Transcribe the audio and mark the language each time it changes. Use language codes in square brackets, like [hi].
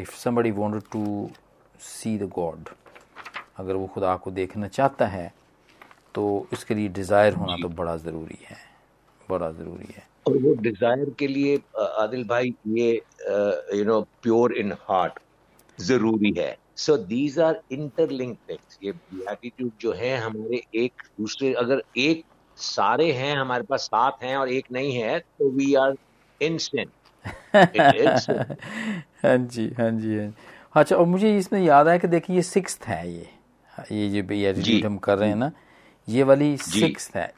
[en] if somebody wanted to see the God, [hi] अगर वो खुदा को देखना चाहता है, तो इसके लिए डिज़ायर होना तो बड़ा ज़रूरी है, बड़ा ज़रूरी है. और वो डिज़ायर के लिए आदिल भाई, ये [en] you know [hi] pure in heart ज़रूरी है. [en] So these are interlinked things. [hi] ये attitude जो है हमारे एक दूसरे, अगर एक सारे हैं हमारे पास, सात हैं और एक नहीं है, तो [en] we are instant. [hi] हाँ जी, हाँ जी, हाँ जी. अच्छा, और मुझे इसमें याद आया कि देखिए ये sixth है, ये जो attitude हम कर रहे हैं ना, ये वाली sixth है.